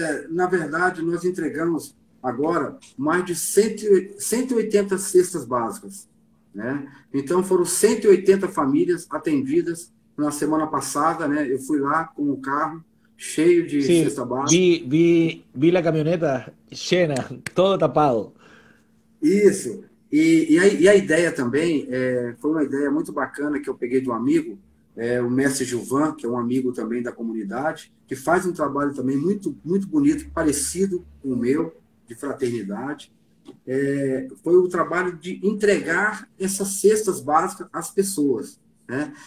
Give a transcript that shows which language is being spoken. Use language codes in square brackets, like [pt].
[pt] Na verdade, nós entregamos agora mais de 180 cestas básicas, né? Então, foram 180 famílias atendidas na semana passada, né? Eu fui lá com o carro cheio de [es] Sí, [pt] cesta básica. [es] vi la camioneta llena, todo tapado. [pt] Isso. E a ideia também, foi uma ideia muito bacana que eu peguei de um amigo. O mestre Gilvan, que é um amigo também da comunidade, que faz um trabalho também muito muito bonito, parecido com o meu, de fraternidade. Foi o trabalho de entregar essas cestas básicas às pessoas, né?